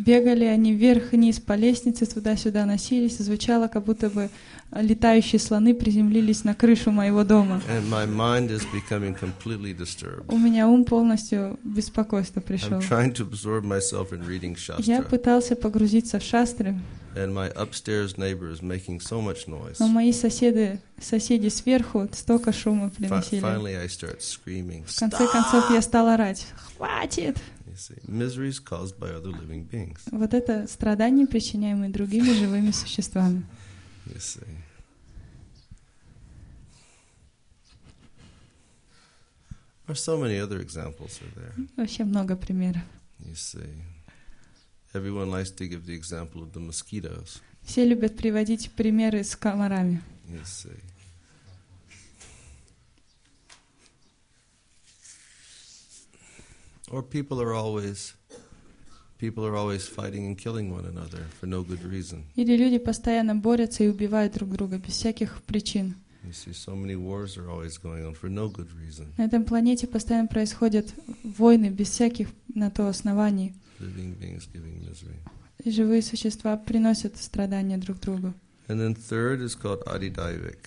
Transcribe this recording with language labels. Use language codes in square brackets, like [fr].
[ru] Бегали они вверх и вниз по лестнице, туда-сюда носились, и звучало, как будто бы летающие слоны приземлились на крышу моего дома. [en] And my mind is becoming completely disturbed. [ru] У меня ум полностью беспокойство пришел. [en] I'm trying to absorb myself in reading Shastra. [ru] Я пытался погрузиться в Шастры. [en] And my upstairs neighbor is making so much noise. [ru] Но мои соседи сверху столько шума приносили. [en] Finally, I start screaming. [ru] В конце концов я стал орать: хватит! [en] You see, misery is caused by other living beings. [ru] Вот это страдания, причиняемые другими живыми существами. [en] You see. There are so many other examples are there. [ru] Вообще много примеров. [en] You see. Everyone likes to give the example of the mosquitoes. [ru] Все любят приводить примеры с комарами. [en] Yes, see. Or people are always fighting and killing one another for no good reason. [ru] Или люди постоянно борются и убивают друг друга без всяких причин. [en] You see, so many wars are always going on for no good reason. [ru] На этом планете постоянно происходят войны без всяких на то оснований. [en] Living beings giving misery. [ru] И живые существа приносят страдания друг другу. [en] And then third is called adidaivik.